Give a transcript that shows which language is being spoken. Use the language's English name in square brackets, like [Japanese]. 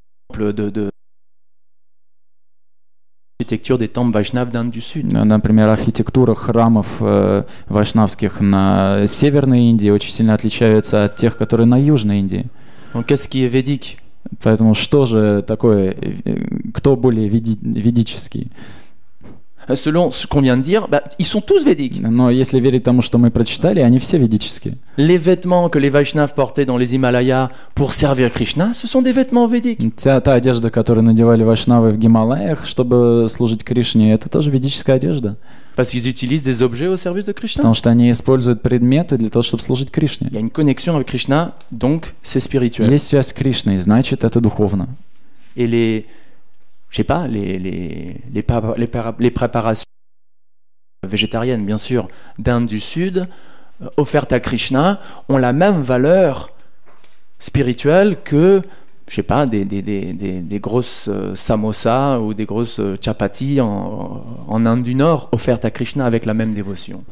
[French] exemple de l'architecture des temples Vaishnav d'Inde du Sud. [Russian] Например, архитектура храмов вайшнавских на Северной Индии очень сильно отличается от тех, которые на Южной Индии. [French] Donc, qu'est-ce qui est védique? [Russian] Поэтому что же такое, кто более ведический? [French] Selon ce qu'on vient de dire, ils sont tous védiques. [Russian] Но если верить тому, что мы прочитали, они все ведические. [French] Les vêtements que les Vaishnavs portaient dans les Himalayas pour servir Krishna, ce sont des vêtements védiques. [Russian] Та одежда, которую надевали вайшнавы в Гималаях, чтобы служить Кришне, это тоже ведическая одежда. [French] Parce qu'ils utilisent des objets au service de Krishna. [Russian] Потому что они используют предметы для того, чтобы служить Кришне. [French] Il y a une connexion avec Krishna, donc c'est spirituel. [Russian] Есть связь с Кришной, значит, это духовно. [French] Et les Je sais pas les préparations végétariennes, bien sûr, d'Inde du Sud, offertes à Krishna, ont la même valeur spirituelle que, je sais pas, des grosses samosas ou des grosses chapatis en Inde du Nord, offertes à Krishna avec la même dévotion.